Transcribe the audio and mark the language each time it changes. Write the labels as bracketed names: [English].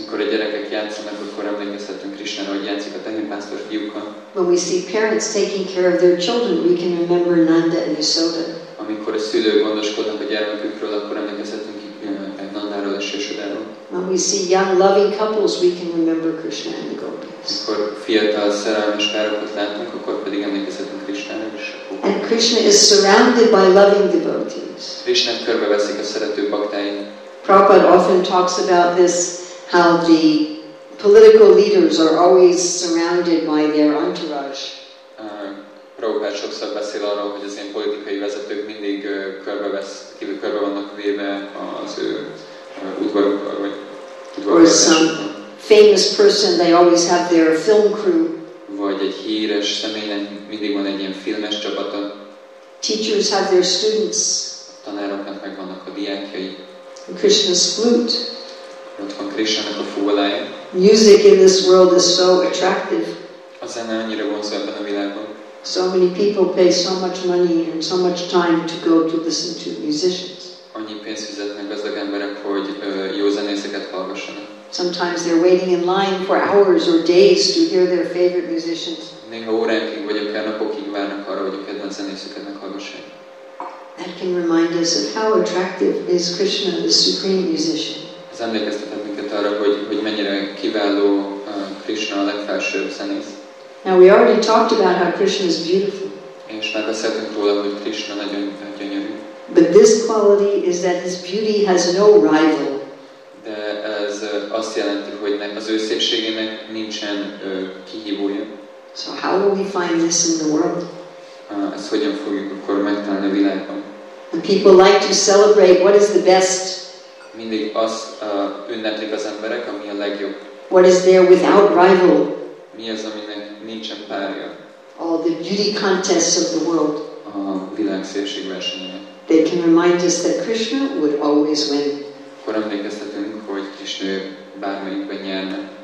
[Hungarian] Mikor a gyerekek játszanak, akkor emlékezhetünk Krishnára, hogy játszik a tehénpásztor fiúkkal. [English] When we see parents taking care of their children, we can remember Nanda and Yashoda. [Hungarian] Amikor a szülők gondoskodnak a gyermekükről, akkor emlékezhetünk Nandáról és Yashodáról. [English] When we see young loving couples, we can remember Krishna and the gopis. [Hungarian] Mikor fiatal szerelmes párokat látunk, akkor pedig emlékezhetünk Krishnára is. [English] And Krishna is surrounded by loving devotees. [Hungarian] Krishna körbeveszik a szerető baktáit. [English] Prabhupada often talks about this, how the political leaders are always surrounded by their entourage. [Hungarian] Prabhupada sokszor beszél arról, hogy az ilyen politikai vezetők mindig körbe vannak véve az ő udvarukkal, vagy udvarukkal. [English] Or some famous person, they always have their film crew. [Hungarian] Vagy egy híres személynek mindig van egy ilyen filmes csapata. [English] Teachers have their students. [Hungarian] A tanároknak meg vannak a diákjai. [English] Krishna's flute. [Hungarian] Ott van Krishna-nak a fúvolája. [English] Music in this world is so attractive. [Hungarian] A zene annyira vonz ebben a világban. [English] So many people pay so much money and so much time to go to listen to musicians. [Hungarian] Annyi pénzt fizetnek gazdag emberek, hogy jó zenészeket hallgassanak. [English] Sometimes they're waiting in line for hours or days to hear their favorite musicians. [Hungarian] Néha óránként vagy akár napokig várnak arra, hogy a kedvenc zenészüket meghallgassák. [English] That can remind us of how attractive is Krishna, the supreme musician. [Hungarian] Ez emlékeztetett minket arra, hogy mennyire kiváló Krishna, a legfelsőbb zenész. [English] Now we already talked about how Krishna is beautiful. [Hungarian] És már beszéltünk róla, hogy Krishna nagyon gyönyörű. [English] But this quality is that his beauty has no rival. [Hungarian] De ez azt jelenti, hogy az ő szépségének nincsen kihívója. [English] So how will we find this in the world? [Hungarian] Ezt hogyan fogjuk akkor megtalálni a világban? [English] And people like to celebrate what is the best. [Hungarian] Mindig azt ünneplik az emberek, ami a legjobb. [English] What is there without rival? [Hungarian] Mi az, aminek nincsen párja? [English] All the beauty contests of the world. [Hungarian] A világ szépségversenye. [English] They can remind us that Krishna would always win. [Hungarian] Akkor emlékeztetünk, hogy Krishna bármelyikben nyerne.